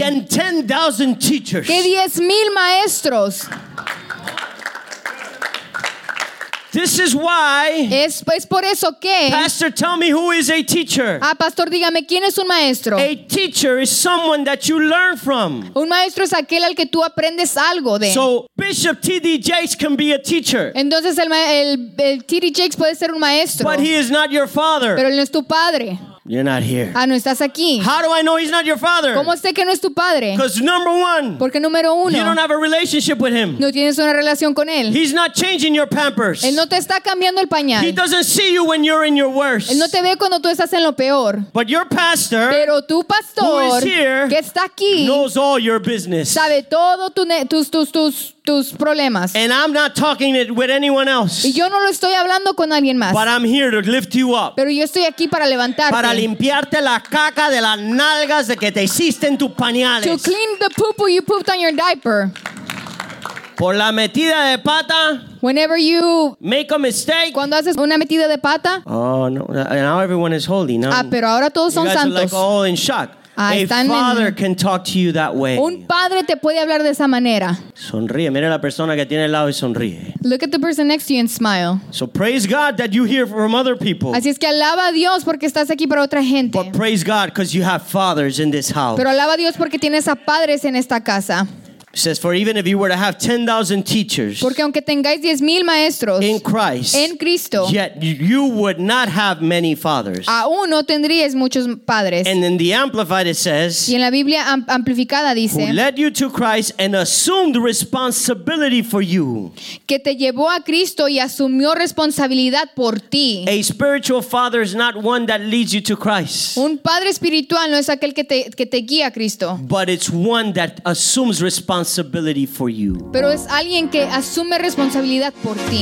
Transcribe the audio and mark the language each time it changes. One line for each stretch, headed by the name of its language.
English: Than 10,000 teachers.
Spanish: Que 10,000 maestros.
English: This is why.
Spanish: Es por eso que.
English: Pastor, tell me who is a teacher.
Spanish: Ah, pastor, dígame quién es un maestro.
English: A teacher is someone that you learn from.
Spanish: Un maestro es aquel al que tú aprendes algo de.
English: So Bishop T.D. Jakes can be a teacher.
Spanish: Entonces el T.D. Jakes puede ser un maestro.
English: But he is not your father.
Spanish: Pero él no es tu padre.
English: You're not here.
Spanish: Ah, no estás aquí.
English: How do I know he's not your father?
Spanish: ¿Cómo sé que no es tu padre?
English: Because number one.
Spanish: Porque número uno.
English: You don't have a relationship with him.
Spanish: No tienes una relación con él.
English: He's not changing your pampers.
Spanish: Él no te está cambiando el pañal.
English: He doesn't see you when you're in your worst.
Spanish: Él no te ve cuando tú estás en lo peor.
English: But your pastor.
Spanish: Pero tu pastor.
English: Who is here?
Spanish: Que está aquí.
English: Knows all your business.
Spanish: Sabe todo tus problemas.
English: And I'm not talking it with anyone else.
Spanish: Y yo no lo estoy hablando con alguien más.
English: But I'm here to lift you up.
Spanish: Pero yo estoy aquí para levantarte. Para limpiarte la caca de las nalgas de que te hiciste en tus pañales.
English: To clean the poop you pooped on your diaper.
Spanish: Por la metida de pata.
English: Whenever you make a mistake.
Spanish: Cuando haces una metida de pata.
English: Oh no! Now everyone is holy. Now,
Spanish: ah, pero ahora todos son santos.
English: You guys are like all in shock. Ah, a father can talk to you that way.
Spanish: Un padre te puede hablar de esa manera. Sonríe. Mira la persona que tiene al lado y sonríe.
English: Look at the person next to you and smile. So praise God that you hear from other people.
Spanish: Así es que alaba a Dios porque estás aquí para otra gente.
English: But praise God because you have fathers in this house.
Spanish: Pero alaba a Dios porque tienes a padres en esta casa.
English: It says, for even if you were to have 10,000 teachers,
Spanish: porque aunque tengáis 10,000 maestros,
English: in Christ,
Spanish: en Cristo,
English: yet you would not have many fathers.
Spanish: Aún no tendríais muchos padres.
English: And in the Amplified it says,
Spanish: y en la Biblia amplificada dice,
English: who led you to Christ and assumed responsibility for you,
Spanish: que te llevó a Cristo y asumió responsabilidad por ti.
English: A spiritual father is not one that leads you to Christ.
Spanish: Un padre espiritual no es aquel que te guía a Cristo.
English: But it's one that assumes responsibility. Responsibility for you.
Spanish: Pero es alguien que asume responsabilidad por ti.